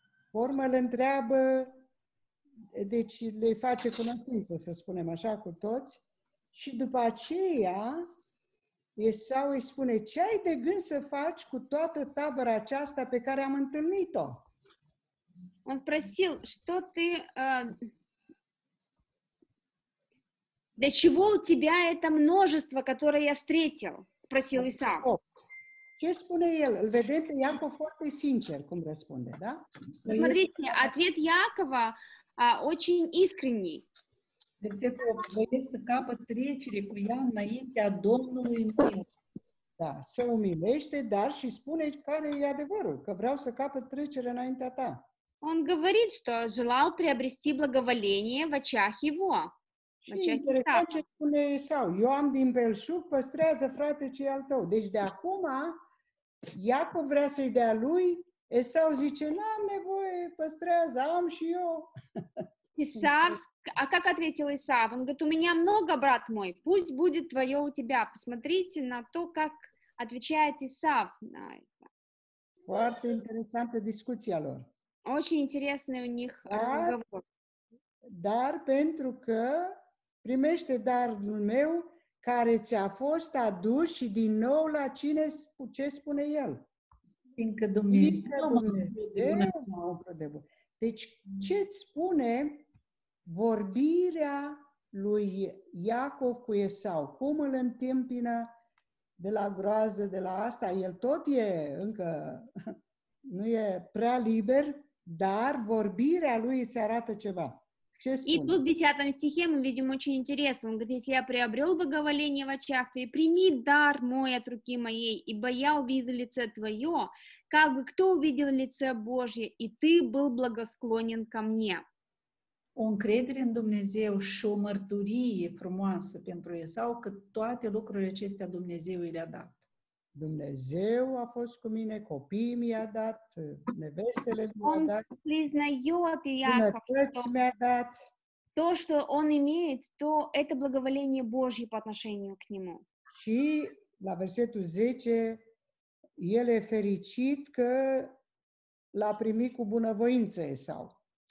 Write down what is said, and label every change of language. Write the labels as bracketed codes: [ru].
[ro] Formă îl întreabă, deci le face cunoscință, să spunem așa, cu toți. Și după aceea, Esau îi spune, ce ai de gând să faci cu toată tabăra aceasta pe care am întâlnit-o? [ru] Он спросил, что ты, для чего у тебя это множество, которое я встретил? Спросил Исав. [ro] Ce spune el? Îl vedem pe Iacov foarte sincer, cum răspunde, da? [ru] Смотрите, ответ Якова очень искренний. [ro] Versetul 8. Voiesc să capăt trecere cu ea înaintea Domnului meu. Da, se umilește, dar și spune care e adevărul, că vreau să capăt trecere înaintea ta. [ru] Он говорит, что желал приобрести благоволение в очах его. [ro] Ce spune Esau? Eu am din belșug, păstrează frate ce e al tău. Deci de acum, Iacov vrea să-i dea lui, Esau zice, n-am nevoie, păstrează, am și eu. [ru] Исав, а как ответил Исав? Он говорит, у меня много, брат мой, пусть будет твое у тебя. Посмотрите на то, как отвечает Исав на это. [ro] Foarte interesantă discuția lor. [ru] Очень интересный у них разговор. [ro] Dar pentru că primește darul meu care ți-a fost adus și din nou la cine, ce spune el? Fiindcă Dumnezeu m-a umplut de bunătate. Deci, ce îți spune vorbirea lui Iacov cu Esau? Cum îl întâmpină de la groază, de la asta? El tot e încă, nu e prea liber, dar vorbirea lui îți arată ceva. [ru] И тут в 10 стихе мы видим очень интересно. Он говорит, если я приобрел благоволение в очах, то и прими дар мой от руки моей, ибо я увидел лице твое, как бы кто увидел лице Божье, и ты был благосклонен ко мне. [ro] Он кредит в Думнезеу, что мартурие фрумоасы пентру Исау, как тоте лукрури честя Думнезеу или адат. Dumnezeu a fost cu mine, copiii mi-a dat, nevestele mi-a dat, bunătăți mi-a dat. [ru] То, что он имеет, то это благоволение Божье по отношению к нему. [ro] Și la versetul 10, el e fericit că l-a primit cu bunăvoință Esau.